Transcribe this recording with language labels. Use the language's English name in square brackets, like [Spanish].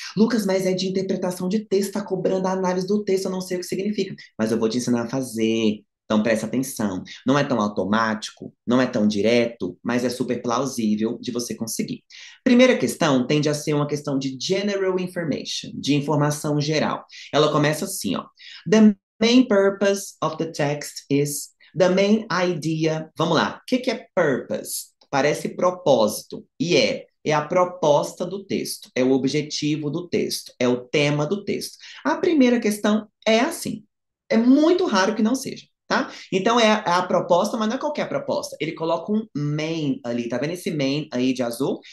[Portuguese] Lucas, mas é de interpretação de texto, está cobrando a análise do texto, eu não sei o que significa. Mas eu vou te ensinar a fazer. Então presta atenção. Não é tão automático, não é tão direto, mas é super plausível de você conseguir. Primeira questão tende a ser uma questão de [English] general information, [Portuguese] de informação geral. Ela começa assim, ó. [English] The main purpose of the text is the main idea. [Portuguese] Vamos lá. O que que é purpose? Parece propósito. É a proposta do texto, é o objetivo do texto, é o tema do texto. A primeira questão é assim. É muito raro que não seja, tá? Então é a proposta, mas não é qualquer proposta. Ele coloca um main ali, tá vendo esse main aí de azul?